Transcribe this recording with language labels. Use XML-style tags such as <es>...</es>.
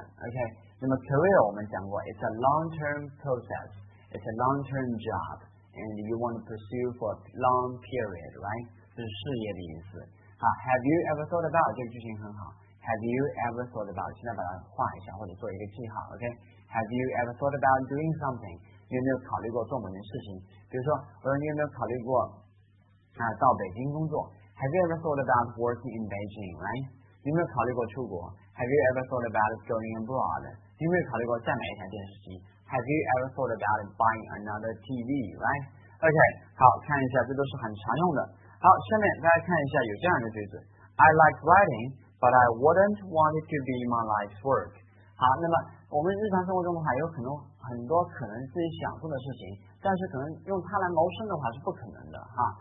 <en>OK，</en> <zh>那么</zh> <en>career</en> <zh>我们讲过</zh> <en>It's a long term process， It's a long term job， And you want to pursue for a long period， right？</en> <zh>这是事业的意思。好，</zh> <en>Have you ever thought about，</en> <zh>这个句型很好，</zh> <en>Have you ever thought about， 现在把它画一下或者做一个记号， OK， Have you ever thought about doing something，</en> <zh>你有没有考虑过做某件事情？比如说我说你有没有考虑过啊，到北京工作？</zh> <en>Have you ever thought about working in Beijing， right？</en> <zh>你有没有考虑过出国？</zh> <en>Have you ever thought about going abroad？</en> <zh>你有没有考虑过再买一台电视机？</zh> <en>Have you ever thought about buying another TV， right？</en> <zh>OK， 好，看一下，这都是很常用的。好，下面大家看一下有这样的句子，</zh> <en>I like writing but I wouldn't want it to be my life's work。</en> <zh>好，那么我们日常生活中的话有可能很多可能自己想做的事情，但是可能用它来谋生的话是不可能的哈。</zh>